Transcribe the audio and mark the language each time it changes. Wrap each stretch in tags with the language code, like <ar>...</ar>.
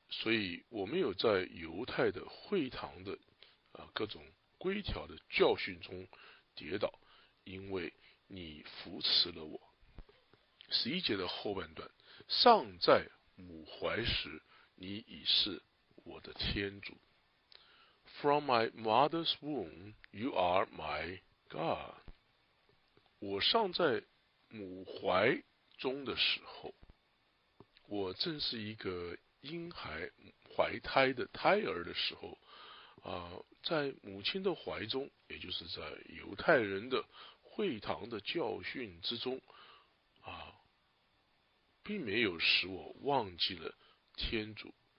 <zh>所以我没有在犹太的会堂的啊各种规条的教训中跌倒，因为你扶持了我。十一节的后半段，尚在母怀时，你已是我的天主。</zh> <en>From my mother's womb, you are my God.</en> <zh>我尚在母怀中的时候，我正是一个婴孩怀胎的胎儿的时候，在母亲的怀中，也就是在犹太人的会堂的教训之中，并没有使我忘记了天主。</zh>